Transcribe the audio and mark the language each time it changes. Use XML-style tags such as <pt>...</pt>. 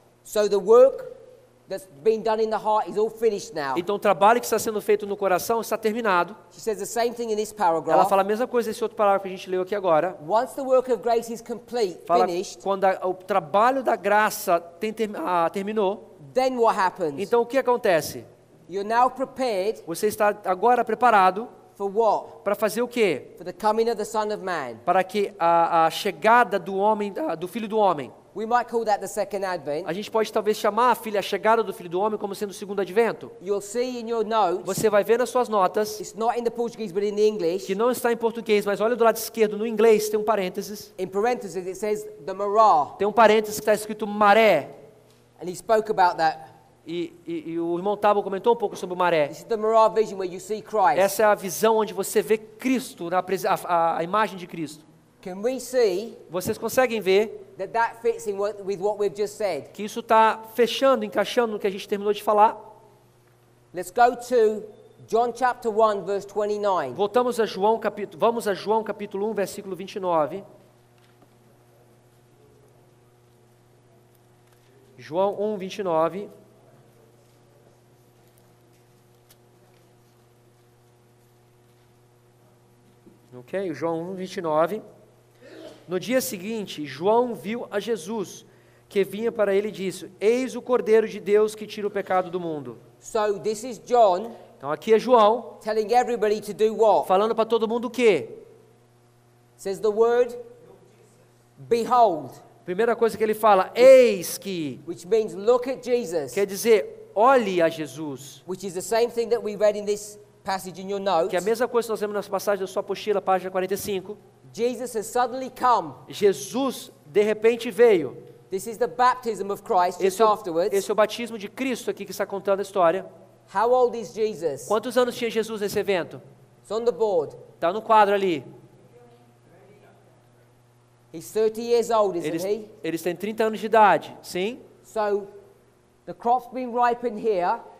<en>So the work that's been done in the heart is all finished now.</en> <pt>Então o trabalho que está sendo feito no coração está terminado.</pt> <en>She says the same thing in this paragraph.</en> <pt>Ela fala a mesma coisa nesse outro parágrafo que a gente leu aqui agora.</pt> <en>Once the work of grace is complete,</en> <pt>fala,</pt> <en>finished.</en> <pt>Quando o trabalho da graça terminou.</pt> <en>Then what happens?</en> <pt>Então o que acontece?</pt> <en>You're now prepared.</en> <pt>Você está agora preparado.</pt> <en>For what?</en> <pt>Para fazer o quê?</pt> <en>For the coming of the Son of Man.</en> <pt>Para que a chegada do homem, do Filho do Homem.</pt> <en>We might call that the second advent.</en> <pt>A gente pode talvez chamar a chegada do Filho do Homem como sendo o segundo advento.</pt> <en>You'll see in your notes,</en> <pt>você vai ver nas suas notas.</pt> <en>It's not in the Portuguese, but in the English,</en> <pt>que não está em português, mas olha do lado esquerdo no inglês, tem um parênteses.</pt> <en>In parentheses it says the marah.</en> <pt>Tem um parênteses que está escrito maré.</pt> <en>And he spoke about that.</en> <pt>E o irmão Tabo comentou um pouco sobre o maré.</pt> <en>This is the marah vision where you see Christ.</en> <pt>Essa é a visão onde você vê Cristo, a imagem de Cristo.</pt> <en>Can we see?</en> <pt>Vocês conseguem ver?</pt> <en>That that fits in with what we've just said.</en> <pt>Que isso está fechando, encaixando no que a gente terminou de falar.</pt> <en>Let's go to John chapter 1 verse 29.</en> <pt>Voltamos a João capítulo, vamos a João capítulo 1 versículo 29. João 1 29. Ok, João 1:29. No dia seguinte, João viu a Jesus que vinha para ele e disse: eis o Cordeiro de Deus que tira o pecado do mundo.</pt> <en>So this is John.</en> <pt>Então aqui é João.</pt> <en>Telling everybody to do what?</en> <pt>Falando para todo mundo o quê?</pt> <en>Says the word. Behold.</en> <pt>Primeira coisa que ele fala: eis que.</pt> <en>Which means look at Jesus.</en> <pt>Quer dizer, olhe a Jesus.</pt> <en>Which is the same thing that we read in this.</en> <pt>Que é a mesma coisa que nós vemos na passagem da sua apostila, página 45.</pt> <en>Jesus has suddenly come.</en> <pt>Jesus de repente veio.</pt> <en>This is the baptism of Christ just afterwards.</en> <pt>Esse é o batismo de Cristo aqui que está contando a história.</pt> <en>How old is Jesus?</en> <pt>Quantos anos tinha Jesus nesse evento?</pt> <en>It's on the board.</en> <pt>Está no quadro ali.</pt> <en>He's 30 years old, isn't</en> <pt>ele,</pt> <en>he?</en> <pt>Ele tem 30 anos de idade, sim.</pt> <en>So the crop's been ripened here.</en>